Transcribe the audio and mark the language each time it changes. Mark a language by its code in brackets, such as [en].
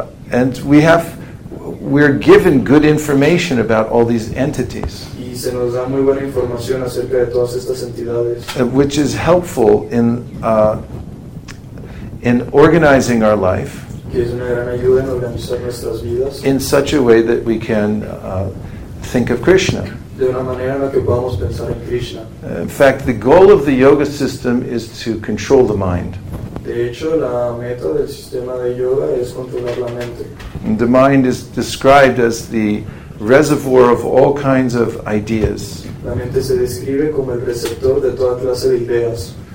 [en] And we're given good information about all these entities. [es] Y se nos da muy buena información acerca de todas estas entidades. [en] Which is helpful in organizing our life. [es] Que es una gran ayuda en organizar nuestras vidas. [en] In such a way that we can think of Krishna. [es] De una manera en la que podamos pensar en Krishna. [en] In fact, the goal of the yoga system is to control the mind. [es] De hecho, la meta del sistema de yoga es controlar la mente. [en] And the mind is described as the reservoir of all kinds of ideas. [es] La mente se describe como el receptor de toda clase de ideas.